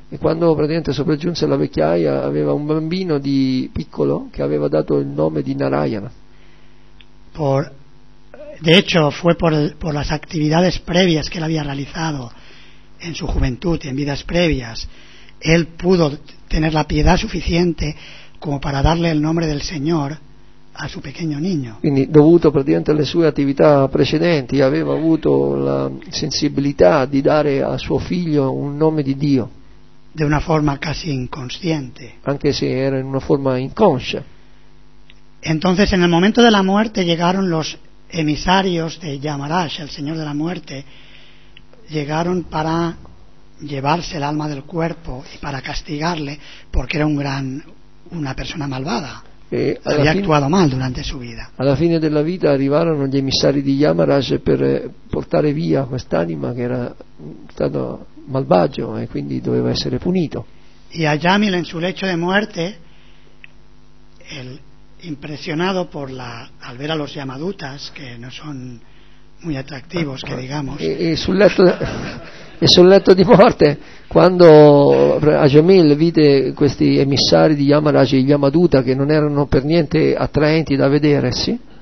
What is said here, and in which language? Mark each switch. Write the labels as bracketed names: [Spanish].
[Italian] E quando praticamente sopraggiunse alla vecchiaia aveva un bambino di piccolo che aveva dato il nome di Narayana. [Spanish] De hecho fue por las actividades previas que él había realizado en su juventud y en vidas previas, él pudo tener la piedad suficiente como para darle el nombre del Señor a su pequeño niño. [Italian] Quindi dovuto praticamente alle sue attività precedenti aveva avuto la sensibilità di dare a suo figlio un nome di Dio. [Spanish] De una forma casi inconsciente. [Italian] Anche se era in una forma inconscia. [Spanish] Entonces, en el momento de la muerte llegaron los emisarios de Yamaraj, el Señor de la Muerte, llegaron para llevarse el alma del cuerpo y para castigarle porque era una persona malvada. Había actuado mal durante su vida. [Italian] Alla fine della vita arrivarono gli emissari di Yamaraj per portare via quest'anima che era stato malvagio e quindi doveva essere punito. [Spanish] Y Ajamil en su lecho de muerte, el impresionado por la al ver a los Yamadutas, que no son muy atractivos, que digamos. [Italian] E sul letto di morte, quando Ajamil vide questi emissari di Yamaraj e Yamaduta che non erano per niente attraenti da vedere, sì.